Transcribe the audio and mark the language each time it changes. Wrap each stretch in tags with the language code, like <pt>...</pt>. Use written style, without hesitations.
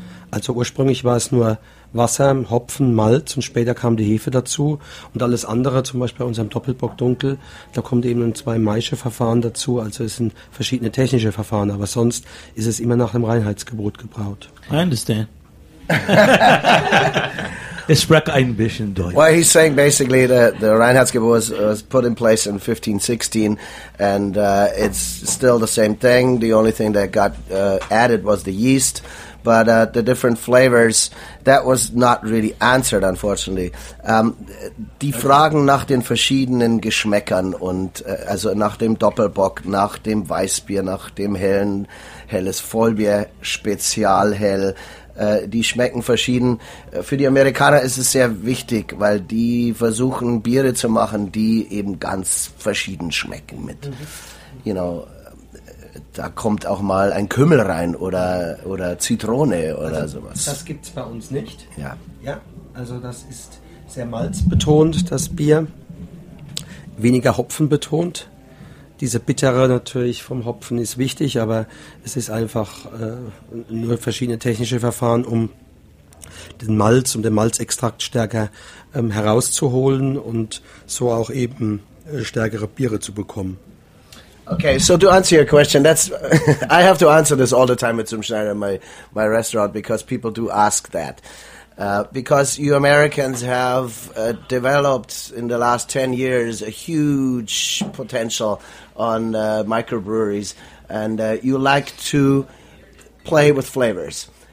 <de>Also ursprünglich war es nur Wasser, Hopfen, Malz, und später kam die Hefe dazu. Und alles andere, zum Beispiel bei unserem Doppelbock Dunkel, da kommt eben ein zwei Maische-Verfahren dazu. Also es sind verschiedene technische Verfahren, aber sonst ist es immer nach dem Reinheitsgebot gebraut.</de> <en>I understand.</en> <de>Ich spreche ein bisschen Deutsch.</de> <en>Well, he's saying basically that the Reinheitsgebot was put in place in 1516, and it's still the same thing. The only thing that got added was the yeast. But the different flavors, that was not really answered, unfortunately.</en> <de>Die Fragen nach den verschiedenen Geschmäckern und also nach dem Doppelbock, nach dem Weißbier, nach dem helles Vollbier, Spezialhell, die schmecken verschieden. Für die Amerikaner ist es sehr wichtig, weil die versuchen, Biere zu machen, die eben ganz verschieden schmecken mit,</de> <en>you know.</en> <de>Da kommt auch mal ein Kümmel rein oder Zitrone oder also, sowas. Das gibt es bei uns nicht. Ja. Ja, also das ist sehr malzbetont, das Bier. Weniger hopfenbetont. Diese Bittere natürlich vom Hopfen ist wichtig, aber es ist einfach nur verschiedene technische Verfahren, um den Malz und den Malzextrakt stärker herauszuholen und so auch eben stärkere Biere zu bekommen.</de> <en>Okay, so to answer your question, that's I have to answer this all the time at Zum Schneider, my restaurant, because people do ask that. Because you Americans have developed in the last 10 years a huge potential on microbreweries, and you like to play with flavors.</en>